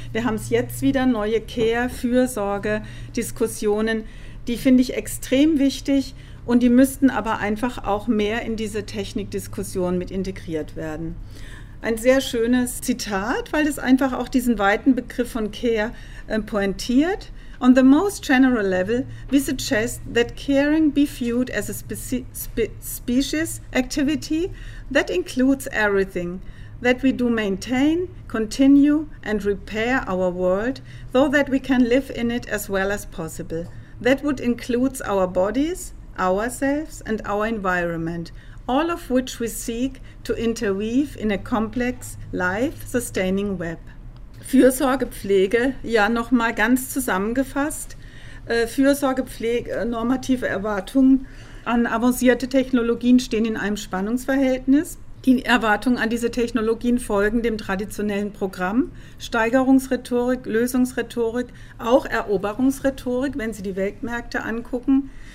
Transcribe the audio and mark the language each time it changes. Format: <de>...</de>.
<de>Wir haben es jetzt wieder, neue Care-Fürsorge-Diskussionen, die finde ich extrem wichtig und die müssten aber einfach auch mehr in diese Technikdiskussion mit integriert werden. Ein sehr schönes Zitat, weil es einfach auch diesen weiten Begriff von Care pointiert.</de> <en>On the most general level, we suggest that caring be viewed as a species activity that includes everything, that we do maintain, continue and repair our world, so that we can live in it as well as possible. That would include our bodies, ourselves and our environment, all of which we seek to interweave in a complex, life-sustaining web.</en> <de>Fürsorgepflege, ja, nochmal ganz zusammengefasst. Fürsorgepflege, normative Erwartungen an avancierte Technologien stehen in einem Spannungsverhältnis. Die Erwartungen an diese Technologien folgen dem traditionellen Programm. Steigerungsrhetorik, Lösungsrhetorik, auch Eroberungsrhetorik, wenn Sie die Weltmärkte angucken.</de>